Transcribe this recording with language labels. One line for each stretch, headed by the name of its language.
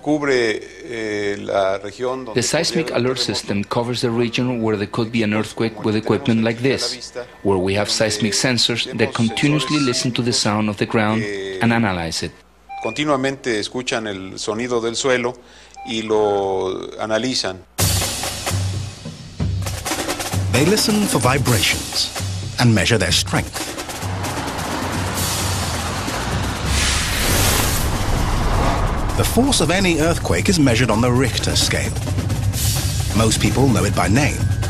English: The seismic alert system covers the region where there could be an earthquake with equipment like this, where we have seismic sensors that continuously listen to the sound of the ground and analyze it.
Spanish: Continuamente escuchan el sonido del suelo y lo analizan.
English: They listen for vibrations and measure their strength. The force of any earthquake is measured on the Richter scale. Most people know it by name.